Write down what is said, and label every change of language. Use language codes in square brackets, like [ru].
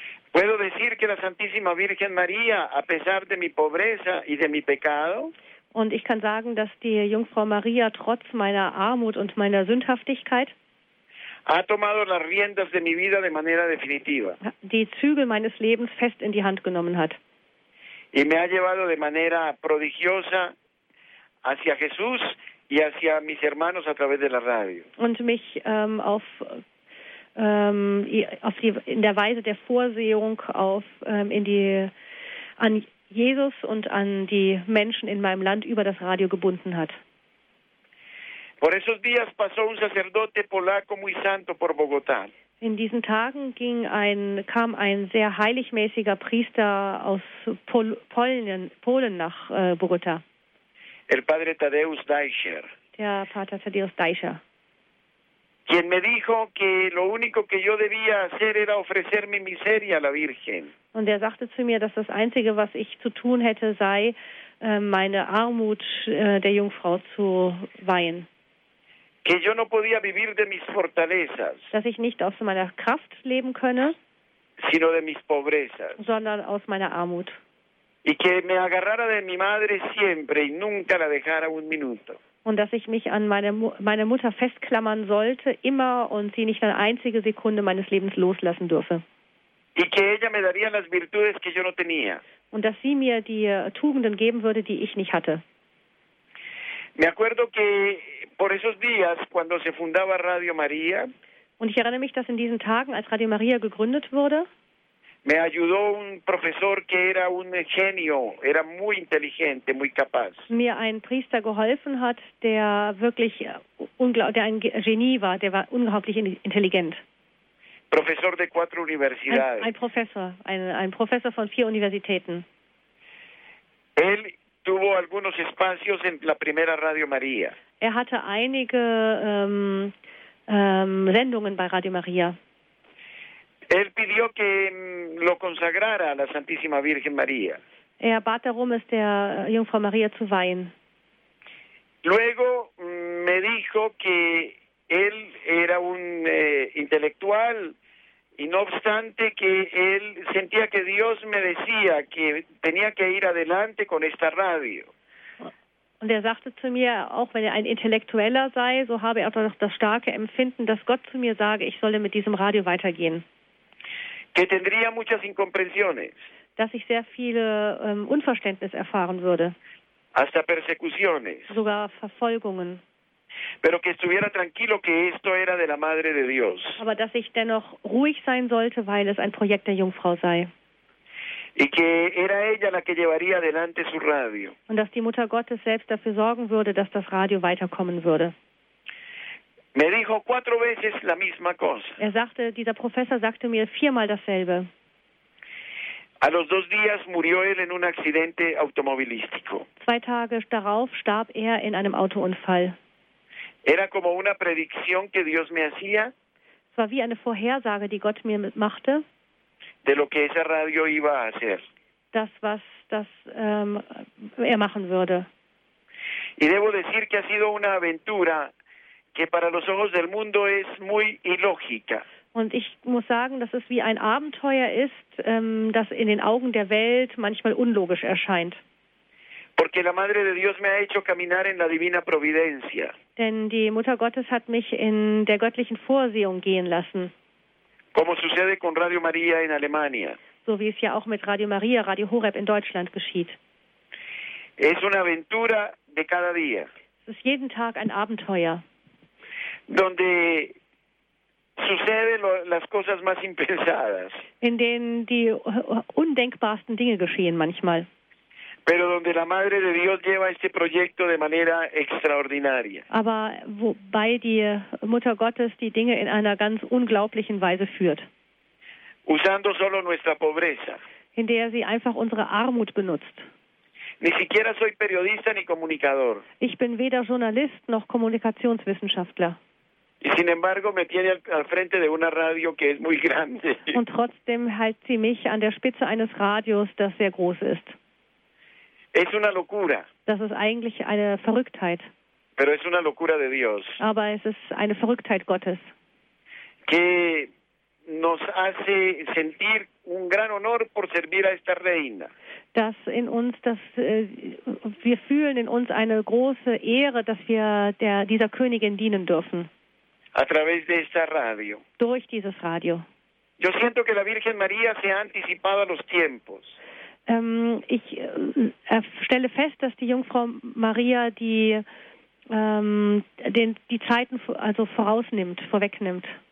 [es] Puedo decir que la Santísima Virgen María, a pesar de mi pobreza y de mi pecado. [de] Und ich kann sagen, dass die Jungfrau Maria trotz meiner Armut und meiner Sündhaftigkeit [es] ha tomado las riendas de mi vida de manera definitiva. [de] Die Zügel meines Lebens fest in die Hand genommen hat. [es] Y me ha llevado de manera prodigiosa hacia Jesús y hacia mis hermanos a través de la radio. [de] Und mich in der Weise der Vorsehung an Jesus und an die Menschen in meinem Land über das Radio gebunden hat. [es] Por esos días pasó un sacerdote polaco muy santo por Bogotá. [de] In diesen Tagen kam ein sehr heiligmäßiger Priester aus Polen nach Bogotá. [es] El padre Tadeusz Dajcher. [de] Der Pater Tadeusz Dajcher. [es] Quien me dijo que lo único que yo debía hacer era ofrecer mi miseria a la Virgen. [de] Und er sagte zu mir, dass das Einzige, was ich zu tun hätte, sei, meine Armut der Jungfrau zu weihen. [es] Que yo no podía vivir de mis fortalezas, [de] dass ich nicht aus meiner Kraft leben könne, [es] sino de mis pobrezas, [de] sondern aus meiner Armut. [es] Y que me agarrara de mi madre siempre y nunca la dejara un minuto. [de] Und dass ich mich an meine Mutter festklammern sollte, immer und sie nicht eine einzige Sekunde meines Lebens loslassen dürfe. [es] Y que ella me daría las virtudes que yo no tenía. [de] Und dass sie mir die Tugenden geben würde, die ich nicht hatte. [es] Me acuerdo que por esos días, cuando se fundaba Radio María, [de] und ich erinnere mich, dass in diesen Tagen, als Radio María gegründet wurde, [es] me ayudó un profesor que era un genio, era muy inteligente, muy capaz. [de] Mir ein Priester geholfen hat, der wirklich der ein Genie war, der war unglaublich intelligent. [es] Profesor de cuatro universidades. [de] Ein Professor von vier Universitäten. [es] Él tuvo algunos espacios en la primera Radio María. [de] Er hatte einige Sendungen bei Radio María. [es] Él pidió que lo consagrara a la Santísima Virgen María. [de] Er bat darum, es der Jungfrau María zu weihen. [es] Luego me dijo que él era un intelectual y no obstante que él sentía que Dios me decía que tenía que ir adelante con esta radio. [de] Und er sagte zu mir, auch wenn er ein Intellektueller sei, so habe er doch das starke Empfinden, dass Gott zu mir sage, ich solle mit diesem Radio weitergehen. [es] Que tendría muchas incomprensiones. [de] Dass ich sehr viele Unverständnis erfahren würde. [es] Hasta persecuciones. [de] Sogar Verfolgungen. [es] Pero que estuviera tranquilo, que esto era de la Madre de Dios. [de] Aber dass ich dennoch ruhig sein sollte, weil es ein Projekt der Jungfrau sei. [es] Y que era ella la que llevaría adelante su radio. [de] Und dass die Mutter Gottes selbst dafür sorgen würde, dass das Radio weiterkommen würde. [es] Me dijo cuatro veces la misma cosa. [de] Er sagte, dieser Professor sagte mir viermal dasselbe. [es] A los dos días murió él en un accidente automovilístico. [de] Zwei Tage darauf starb er in einem Autounfall. [es] Era como una predicción que Dios me hacía. [de] Es war wie eine Vorhersage, die Gott mir machte. [es] De lo que esa radio iba a hacer. [de] Das, was das, er machen würde. [es] Y debo decir que ha sido una aventura que para los ojos del mundo es muy ilógica. [de] Und ich muss sagen, dass es wie ein Abenteuer ist, das in den Augen der Welt manchmal unlogisch erscheint. [es] Porque la Madre de Dios me ha hecho caminar en la Divina Providencia. [de] Denn die Mutter Gottes hat mich in der göttlichen Vorsehung gehen lassen. [es] Como sucede con Radio María en Alemania. [de] So wie es ja auch mit Radio María, Radio Horeb in Deutschland geschieht. [es] Es una aventura de cada día. [de] Es ist jeden Tag ein Abenteuer. [es] Donde sucede las cosas más impensadas. [de] In denen die undenkbarsten Dinge geschehen manchmal. [es] Pero donde la Madre de Dios lleva este proyecto de manera extraordinaria. [de] Aber wobei die Mutter Gottes die Dinge in einer ganz unglaublichen Weise führt. [es] Usando solo nuestra pobreza. [de] In der sie einfach unsere Armut benutzt. [es] Ni siquiera soy periodista ni comunicador. [de] Ich bin weder Journalist noch Kommunikationswissenschaftler. [es] Y sin embargo me tiene al frente de una radio que es muy grande. [de] Und trotzdem hält sie mich an der Spitze eines Radios, das sehr groß ist. [es] Es una locura. [de] Das ist eigentlich eine Verrücktheit. [es] Pero es una locura de Dios. [de] Aber es ist eine Verrücktheit Gottes. [es] Que nos hace sentir un gran honor por servir a esta reina. [de] Dass in uns, dass wir fühlen in uns eine große Ehre, dass wir dieser Königin dienen dürfen. [es] A través de esta radio. [de] Durch dieses Radio. [es] Yo siento que la Virgen María se ha anticipado a los tiempos. [de] Ich stelle fest, dass die Jungfrau Maria die Zeiten also vorausnimmt, vorwegnimmt.